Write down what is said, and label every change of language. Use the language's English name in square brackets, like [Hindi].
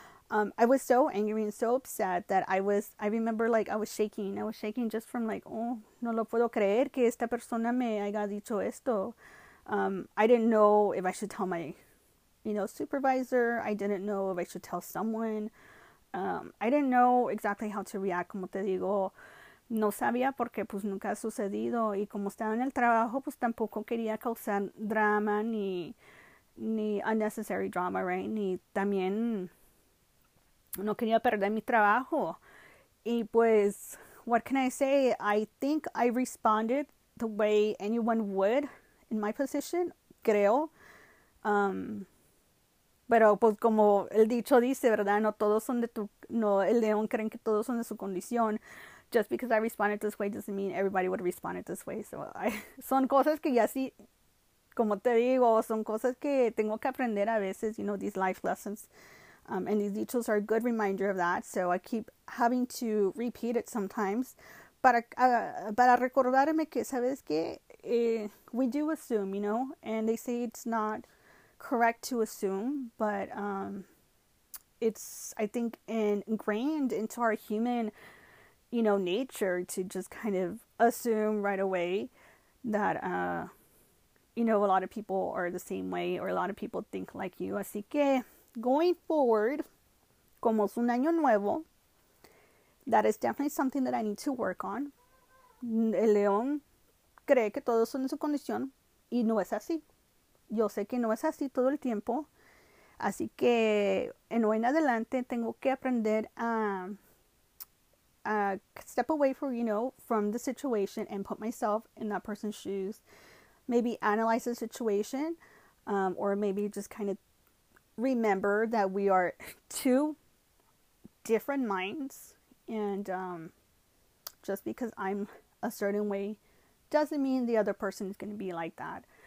[English] I was so angry and so upset that I remember, like, I was shaking. I was shaking just from, like, oh, [Spanish] no lo puedo creer que esta persona me haya dicho esto. [English] I didn't know if I should tell my, you know, supervisor. I didn't know if I should tell someone. I didn't know exactly how to react. [Spanish] Como te digo, no sabía porque pues nunca ha sucedido. Y como estaba en el trabajo, pues tampoco quería causar drama ni [English] unnecessary drama, right? [Spanish] Ni también no quería perder mi trabajo. Y pues, [English] what can I say? I think I responded the way anyone would. In my position, [Spanish] creo. Pero pues como el dicho dice, ¿verdad? No todos son de tu, no, el león creen que todos son de su condición. [English] Just because I responded this way doesn't mean everybody would responded this way. [Spanish] Son cosas que ya sí, como te digo, son cosas que tengo que aprender a veces, [English] you know, these life lessons. And these dichos are a good reminder of that. So I keep having to repeat it sometimes. [Spanish] Para recordarme que, ¿sabes qué? [English] We do assume, you know, and they say it's not correct to assume, but it's, I think, ingrained into our human, you know, nature to just kind of assume right away that, you know, a lot of people are the same way or a lot of people think like you. [Spanish] Así que, [English] going forward, [Spanish] como es un año nuevo, [English] that is definitely something that I need to work on. [Spanish] El león cree que todos son de su condición y no es así. Yo sé que no es así todo el tiempo. Así que en hoy en adelante tengo que aprender a [English] step away from, from the situation and put myself in that person's shoes. Maybe analyze the situation, or maybe just kind of remember that we are two different minds. And just because I'm a certain way doesn't mean the other person is going to be like that.